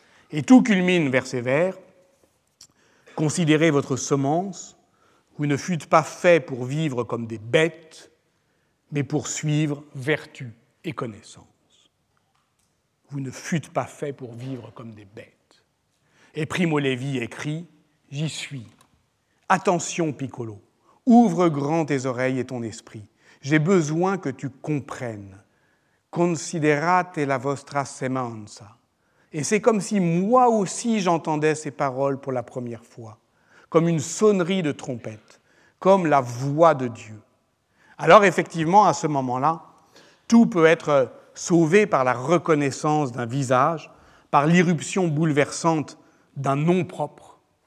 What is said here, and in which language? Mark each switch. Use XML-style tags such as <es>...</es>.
<fr>Et tout culmine vers ces vers. Considérez votre semence, vous ne fûtes pas fait pour vivre comme des bêtes, mais pour suivre vertu et connaissance. Vous ne fûtes pas fait pour vivre comme des bêtes. Et Primo Levi écrit, j'y suis. Attention, Piccolo, ouvre grand tes oreilles et ton esprit. J'ai besoin que tu comprennes.</fr> <it>Considerate la vostra semenza.</it> <fr>Et c'est comme si moi aussi j'entendais ces paroles pour la première fois, comme une sonnerie de trompette, comme la voix de Dieu. Alors effectivement, à ce moment-là, tout peut être sauvé par la reconnaissance d'un visage, par l'irruption bouleversante d'un nom propre.</fr>